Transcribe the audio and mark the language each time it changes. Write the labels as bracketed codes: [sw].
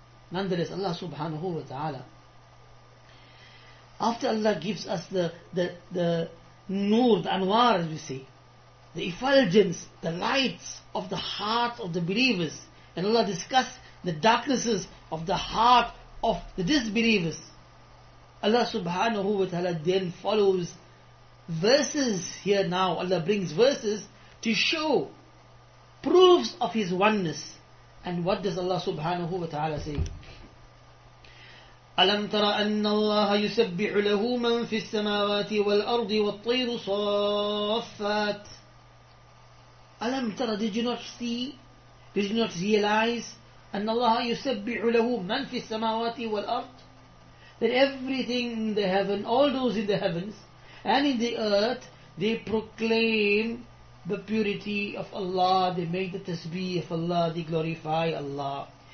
[en] Nonetheless, Allah subhanahu wa ta'ala, after Allah gives us the nur, the anwar, as we say, the effulgence, the lights of the heart of the believers, and Allah discusses the darknesses of the heart of the disbelievers, Allah subhanahu wa ta'ala then follows verses here now. Allah brings verses to show proofs of His oneness. And what does Allah subhanahu wa ta'ala say? [ar] ألم تر أن الله يسبح له من في السماوات والأرض والطير صافات. ألم تر, [en] did you not see, did you not realize [ar] أن الله يسبح له من في السماوات والأرض, [en] that everything in the heaven, all those in the heavens and in the earth, they proclaim the purity of Allah, they make the tasbih of Allah, they glorify Allah.